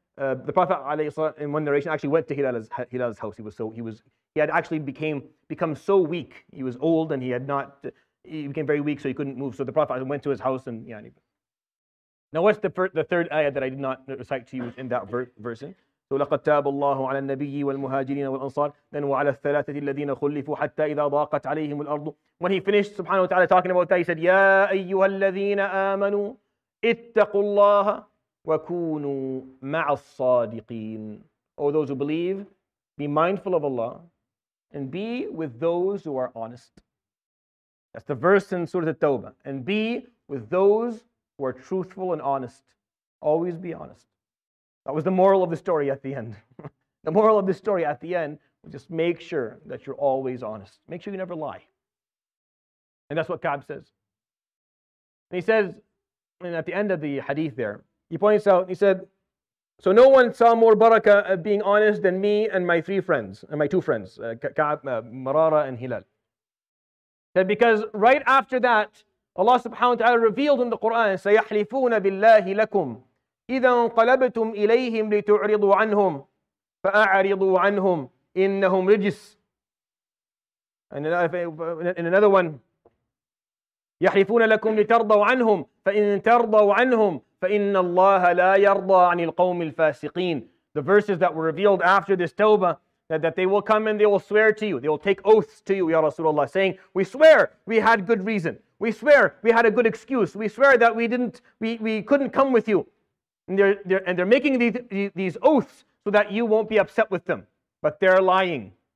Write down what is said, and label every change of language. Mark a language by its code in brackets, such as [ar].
[en] The Prophet in one narration actually went to Hilal's house. He had actually become so weak. He was old and he became very weak, so he couldn't move. So the Prophet went to his house and Now what's the third ayah that I did not recite to you in that verse? [ar] So لَقَدْ تَابَ اللَّهُ عَلَى النَّبِيِّ وَالْمُهَاجِرِينَ وَالْأَنصَارِ then وَعَلَى الثَّلَاثَةِ الَّذِينَ خُلِّفُوا حَتَّى إِذَا ضَاقَتْ عَلَيْهِمُ الْأَرْضُ [en] when he finished subhanahu wa ta'ala talking about that, he said [ar] يَا أَيُّهَا الَّذِينَ آمَنُوا اتَّقُوا اللَّهَ وَكُونُوا مَعَ الصَّادِقِينَ. [en] Oh, those who believe, be mindful of Allah and be with those who are honest. That's the verse in Surah At-Tawbah. And be with those who are truthful and honest. Always be honest. That was the moral of the story at the end. The moral of the story at the end, just make sure that you're always honest. Make sure you never lie. And that's what Ka'b says. And he says, and at the end of the hadith there, he points out, he said, so no one saw more barakah of being honest than me and my three friends, and my two friends, Ka'b, Marara and Hilal. He said, because right after that, Allah subhanahu wa ta'ala revealed in the Quran, [ar] سَيَحْلِفُونَ بِاللَّهِ لَكُمْ إِذَا انْقَلَبْتُمْ إِلَيْهِمْ لِتُعْرِضُوا عَنْهُمْ فَأَعْرِضُوا عَنْهُمْ إِنَّهُمْ رِجِسٌ. And in another one, يَحْلِفُونَ لَكُمْ لِتَرْضَوْا عَنْهُمْ فَإِنْ تَرْضَوْا عَنْهُمْ فَإِنَّ اللَّهَ لَا يَرْضَى عَنِ الْقَوْمِ الْفَاسِقِينَ. [en] The verses that were revealed after this tawbah, that they will come and they will swear to you. They will take oaths to you, Ya Rasulullah, saying, we swear we had good reason. We swear we had a good excuse. We swear that we couldn't come with you. And they're making these oaths so that you won't be upset with them. But they're lying.